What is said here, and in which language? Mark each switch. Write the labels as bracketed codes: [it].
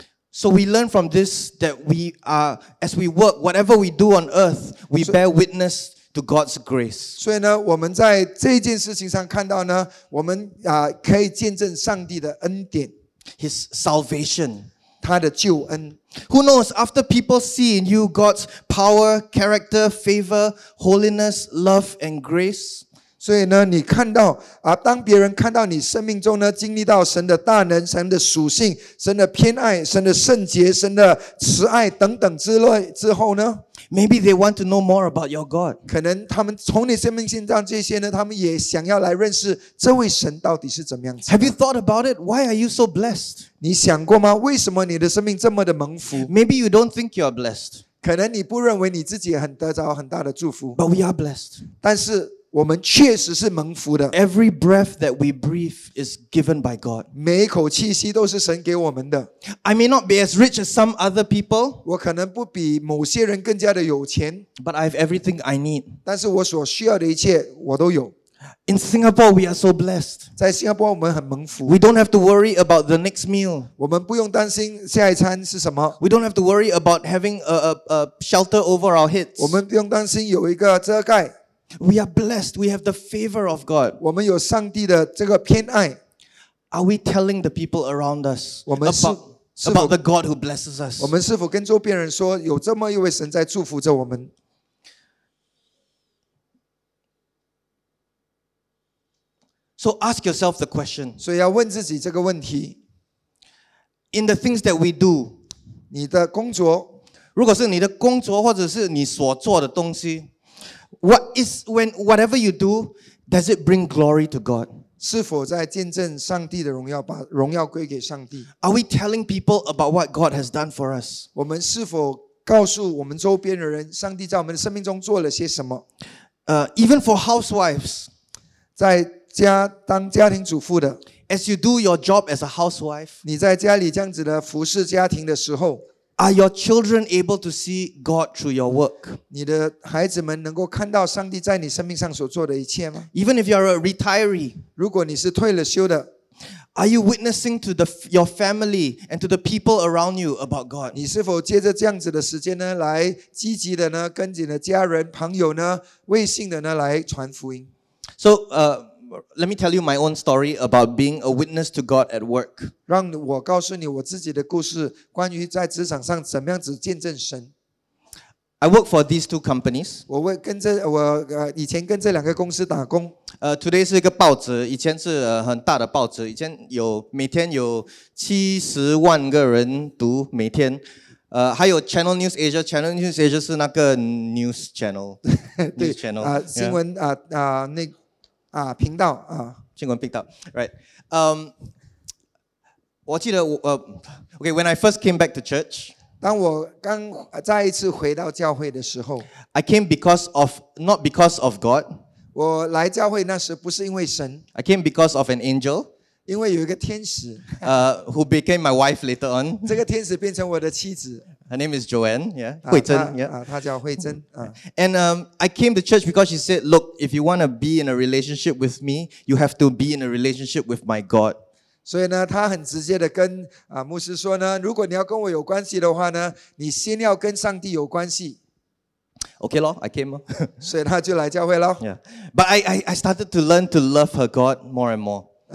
[en] So we learn from this that we are as we work, whatever we do on earth, we bear witness to God's grace. [zh] 所以呢，我们在这件事情上看到呢，我们啊可以见证上帝的恩典 [en] ，His salvation， [zh] 他的救恩。 [en] Who knows? After people see in you God's power, character, favor, holiness, love, and grace. [zh] 所以呢，你看到啊，当别人看到你生命中呢，经历到神的大能、神的属性、神的偏爱、神的圣洁、神的慈爱等等之后呢 [en] ，Maybe they want to know more about your God。 [zh] 可能他们从你生命身上这些呢，他们也想要来认识这位神到底是怎么样子。 [en] Have you thought about it? Why are you so blessed? [zh] 你想过吗？为什么你的生命这么的蒙福 [en] ？Maybe you don't think you are blessed。 [zh] 可能你不认为你自己很得着很大的祝福。 [en] But we are blessed。 [zh] 但是我们确实是蒙福的。 [en] Every breath that we breathe is given by God. [zh] 每一口气息都是神给我们的。 [en] I may not be as rich as some other people. [zh] 我可能不比某些人更加的有钱。 [en] But I have everything I need. [zh] 但是我所需要的一切我都有。 [en] In Singapore, we are so blessed. [zh] 在新加坡我们很蒙福。 [en] We don't have to worry about the next meal. [zh] 我们不用担心下一餐是什么。 [en] We don't have to worry about having a shelter over our heads. [zh] 我们不用担心有一个遮盖。 [en] We are blessed. We have the favor of God. [zh] 我们有上帝的这个偏爱。 [en] Are we telling the people around us about the God who blesses us? [zh] 我们是否跟周边人说有这么一位神在祝福着我们 [en] ？So ask yourself the question. [zh] 所以要问自己这个问题。 [en] In the things that we do, [zh] 你的工作，如果是你的工作或者是你所做的东西。 [en] What is when whatever you do, does it bring glory to God? [zh] 是否在见证上帝的荣耀，把荣耀归给上帝 [en] ？Are we telling people about what God has done for us? [zh] 我们是否告诉我们周边的人，上帝在我们的生命中做了些什么 [en] ？Even for housewives, [zh] 在家当家庭主妇的 [en] ，as you do your job as a housewife, [zh] 你在家里这样子的服侍家庭的时候。 [en] Are your children able to see God through your work? [zh] 你的孩子们能够看到上帝在你生命上所做的一切吗 [en] ？Even if you are a retiree, [zh] 如果你是退了休的 [en] ，Are you witnessing to your family and to the people around you about God? [zh] 你是否借着这样子的时间呢，来积极的呢，跟你的家人、朋友呢，为信的呢，来传福音 [en] ？So, let me tell you my own story about being a witness to God at work. [zh] 让我告诉你我自己的故事，关于在职场上怎么样子见证神。 [en] I work for these two companies. [zh] 我以前跟这两个公司打工。 Today 是一个报纸，以前是很大的报纸，以前有每天有70万个人读每天。还有 Channel News Asia， Channel News Asia 是那个 news channel，对 news channel 新闻那。频道新闻频道 ，right？我记得我， [en] OK， when I first came back to church， [zh] 当我刚再一次回到教会的时候 [en] ，I came because of not because of God。 [zh] 我来教会那时不是因为神 [en] ，I came because of an angel。 [zh] 因为有一个天使。 [en] Who became my wife later on. [zh] 这个天使变成我的妻子。 [en] Her name is Joanne, yeah. 慧珍, yeah. [zh] 她叫慧珍, [en] And I came to church because she said, look, if you want to be in a relationship with me, you have to be in a relationship with my God. [zh] 所以呢，他很直接的跟啊牧师说呢，如果你要跟我有关系的话呢，你先要跟上帝有关系。 [en] Okay, lor, I came. [zh] 所以他就来教会了。 [en] Yeah, but I started to learn to love her God more and more.